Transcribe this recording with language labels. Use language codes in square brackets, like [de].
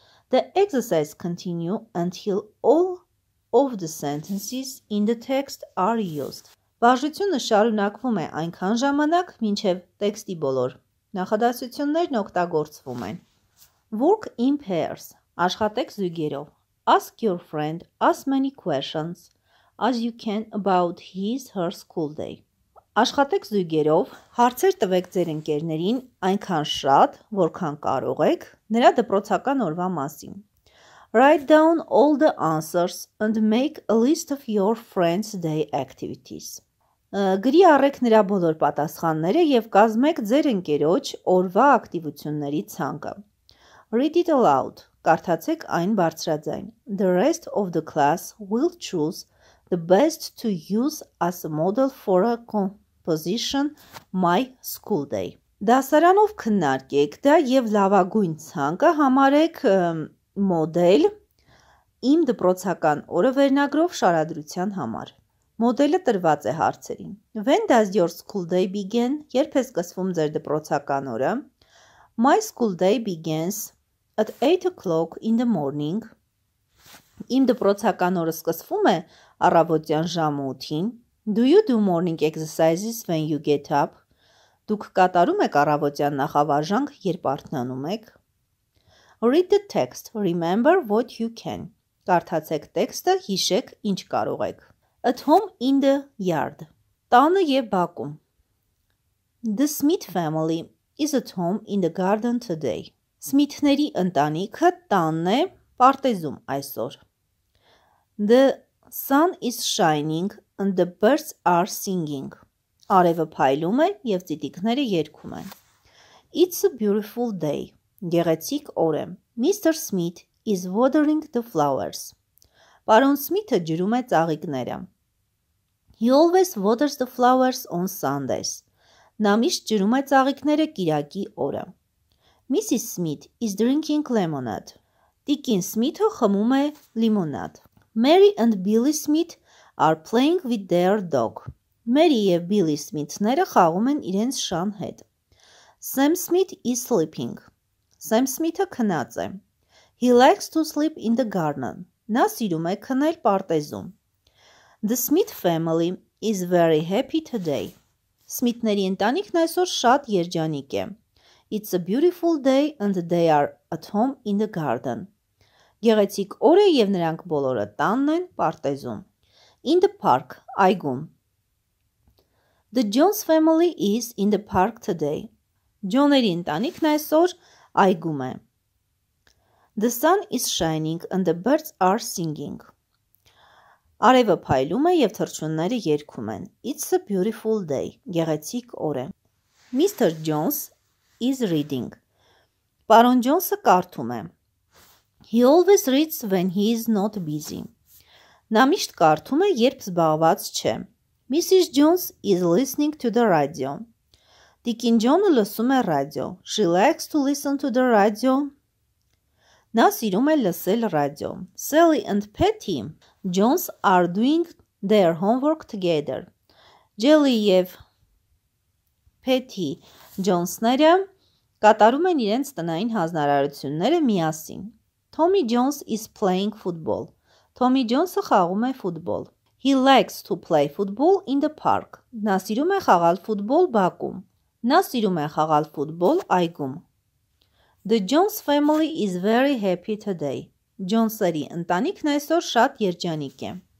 [en] The exercise continue until all of the sentences in the text are used. [hy] Վարժությունը շարունակվում է այնքան ժամանակ, մինչև տեքստի բոլոր նախադասություններն օգտագործվում են. [en] Work in pairs. [hy] Աշխատեք զույգերով. [en] Ask your friend as many questions as you can about his/her school day. [hy] Աշխատեք զույգերով, հարցեր տվեք ձեր ընկերներին այնքան շատ, որքան կարող եք, նրա դպրոցական օրվա մասին. [en] Write down all the answers and make a list of your friend's day activities. [hy] Գրի առեք նրա բոլոր պատասխանները և կազմեք ձեր ընկերոջ օրվա ակտիվությունների ցանկը. [en] Read it aloud. [hy] Կարդացեք այն բարձրաձայն. [en] The rest of the class will choose the best to use as a model for a composition my school day. [hy] Դասարանով քննարկեք դա եւ լավագույն ցանկը համարեք մոդել իմ դպրոցական օրը վերնագրով շարադրության համար։ Մոդելը տրված է հարցերին. [en] When does your school day begin? [hy] Երբ է սկսվում ձեր դպրոցական օրը? [en] My school day begins at 8 o'clock in the morning. [hy] Իմ դպրոցական օրը սկսվում է առավոտյան ժամը 8-ին. [en] Do you do morning exercises when you get up? [hy] Դուք կատարում եք առավոտյան նախավարժանք, երբ արթնանում եք? [en] Read the text. Remember what you can. [hy] Կարդացեք տեքստը, հիշեք ինչ կարող եք. [en] At home in the yard. [hy] Տանը եւ բակում. [en] The Smith family is at home in the garden today. [hy] Սմիթների ընտանիքը տանն է պարտեզում այսօր. [en] The sun is shining and the birds are singing. [hy] Արևը փայլում է եւ ծիտիկները երգում են. [en] It's a beautiful day. [hy] Գեղեցիկ օր է. [en] Mr. Smith is watering the flowers. [hy] Պարոն Սմիթը ջրում է ծաղիկները. [en] He always waters the flowers on Sundays. [hy] Նա միշտ ջրում է ծաղիկները կիրակի օրը. Mrs. [en] Smith is drinking lemonade. [hy] Տիկին Սմիթը խմում է լիմոնադ. [en] Mary and Billy Smith are playing with their dog. [hy] Մերի և Billy Smithները խաղում են իրենց շան հետ. [en] Sam Smith is sleeping. [hy] Sam Smith-ը քնած է. [en] He likes to sleep in the garden. [hy] Նա սիրում է քնել պարտեզում. [en] The Smith family is very happy today. [hy] Սմիթների ընտանիքն այսօր շատ երջանիկ է. [en] It's a beautiful day and they are at home in the garden. [hy] Գեղեցիկ օր է եւ նրանք բոլորը տանն են պարտեզում. [en] In the park, [hy] այգում. [en] The Jones family is in the park today. [hy] Ջոների ընտանիքն այսօր այգում է. [en] The sun is shining and the birds are singing. [hy] Արևը փայլում է եւ թռչունները երգում են. [en] It's a beautiful day. [hy] Գեղեցիկ օր է. [en] Mr. Jones is reading. [hy] Պարոն Ջոնսը կարդում է. [en] He always reads when he is not busy. [hy] Նա միշտ կարդում է, երբ զբաղված չէ. Mrs. [en] Jones is listening to the radio. [hy] Տիկին Ջոնը լսում է ռադիո. [en] She likes to listen to the radio. [hy] Նա սիրում է լսել ռադիո. [en] Sally and Patty Jones are doing their homework together. [hy] Jelly եւ Patty Jones-ները կատարում են իրենց տնային հանձնարարությունները միասին. [en] Tommy Jones is playing football. [hy] Tommy Jones-ը խաղում է ֆուտբոլ. [en] He likes to play football in the park. [hy] Նա սիրում է խաղալ ֆուտբոլ բակում. Նա սիրում է խաղալ ֆուտբոլ այգում. [en] The Jones family is very happy today. [hy] Ջոնսերի ընտանիքն այսօր շատ երջանիկ է.